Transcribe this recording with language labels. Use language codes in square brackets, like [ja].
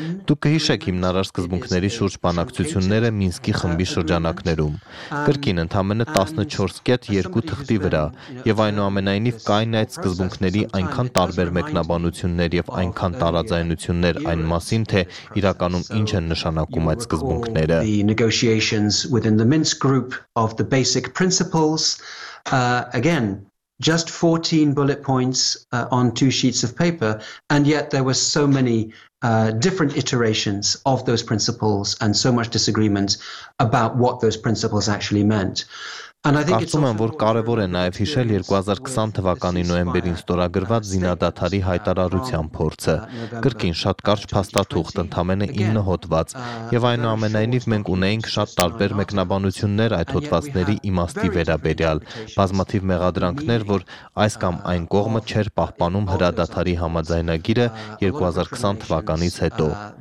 [hy] Դուք կհիշեք հիմնարար սկզբունքների շուրջ բանակցությունները Մինսկի խմբի շրջանակներում։ Կրկին ընդամենը 14 կետ 2 թղթի վրա, եւ այնուամենայնիվ կային այդ սկզբունքների այնքան տարբեր մեկնաբանություններ եւ այնքան տարաձայնություններ այն մասին, թե իրականում ինչ են նշանակում այդ սկզբունքները։ [en] The negotiations within the Minsk group of the basic principles, again, just 14 bullet points on two sheets of paper, and yet there were so many different iterations of those principles and so much disagreement about what those principles actually meant. [hy] Կարծում եմ, որ կարևոր է նաև հիշել 2020 թվականի նոյեմբերին ստորագրված զինադադարի հայտարարության փորձը։ Կրկին շատ կարճ փաստաթուղթ, ընդամենը 9 հոդված, եւ այնուամենայնիվ մենք ունեինք շատ տարբեր մեկնաբանություններ այդ հոդվածների իմաստի վերաբերյալ, բազմաթիվ մեղադրանքներ, որ այս կամ այն կողմը չէր պահպանում հրադադարի համաձայնագիրը 2020 թվականից հետո։